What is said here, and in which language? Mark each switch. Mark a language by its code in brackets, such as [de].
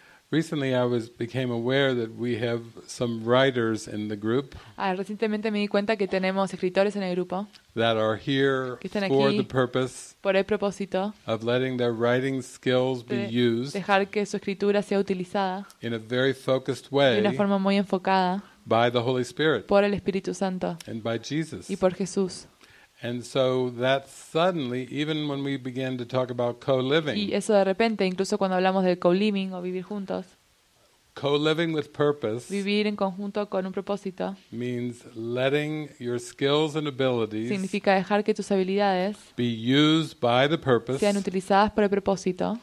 [en] Recently I became aware that we have some writers in the group. [es] Recientemente me di cuenta que tenemos escritores en el grupo. [en] That are here for the purpose. [es] Por el propósito. [en] Of letting their writing skills be used. [es] Dejar que su escritura sea utilizada. [en] In a very focused way. [es] De una forma muy enfocada. [en] By the Holy Spirit. [es] Por el Espíritu Santo. [en] And by Jesus. [es] Y por Jesús. [en] And so that suddenly, even when we began to talk about co-living, [es] y eso de repente, incluso cuando hablamos del co-living o vivir juntos, [en] co-living with purpose, [es] vivir en conjunto con un propósito, [en] means letting your skills and abilities, [es] significa dejar que tus habilidades, [en] be used by the purpose, [es] sean utilizadas por el propósito,